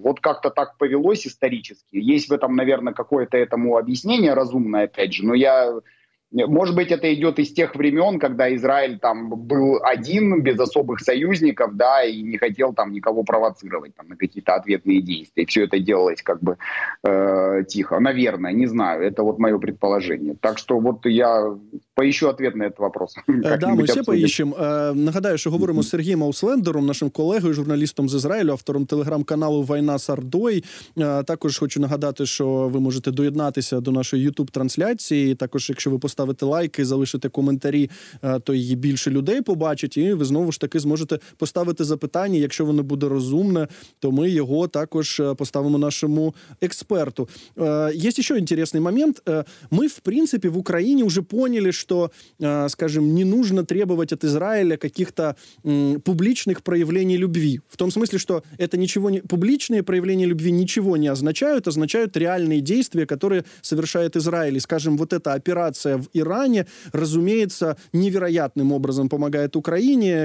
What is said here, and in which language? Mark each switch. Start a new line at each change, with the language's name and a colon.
Russian: Вот как-то так повелось исторически. Есть в этом, наверное, какое-то этому объяснение разумное, опять же. Но я, может быть, это идет из тех времен, когда Израиль там был один, без особых союзников, да, и не хотел там никого провоцировать там, на какие-то ответные действия. Все это делалось как бы тихо. Наверное, не знаю. Это вот мое предположение. Так что вот я... Поищу ответ на этот вопрос. Да, мы все поищем.
Ukrainian: Нагадаю, що говоримо з Сергієм Ауслендером, нашим колегою, журналістом з Ізраїлю, автором телеграм-каналу «Війна з Ордою». Також хочу нагадати, що ви можете доєднатися до нашої YouTube-трансляції. Також, якщо ви поставите лайк і залишите коментарі, то її більше людей побачить. І ви знову ж таки зможете поставити запитання. Якщо воно буде розумне, то ми його також поставимо нашому експерту. Є ще інтересний момент. Ми, в принципі, в Україні вже поняли,
Russian: что, скажем, не нужно требовать от Израиля каких-то публичных проявлений любви. В том смысле, что это ничего не... Публичные проявления любви ничего не означают, означают реальные действия, которые совершает Израиль. И, скажем, вот эта операция в Иране, разумеется, невероятным образом помогает Украине.